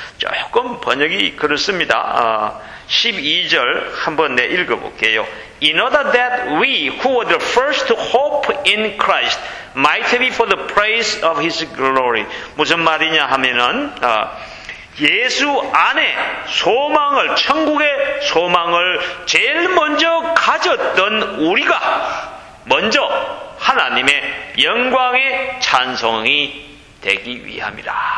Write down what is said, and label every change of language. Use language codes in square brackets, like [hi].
[ko] 조금 번역이 그렇습니다. 12절 한번 내 읽어볼게요. [en] In order that we who were the first to hope in Christ might be for the praise of his glory. [ko] 무슨 말이냐 하면은 예수 안에 소망을, 천국의 소망을 제일 먼저 가졌던 우리가 먼저 하나님의 영광의 찬송이 되기 위함이라.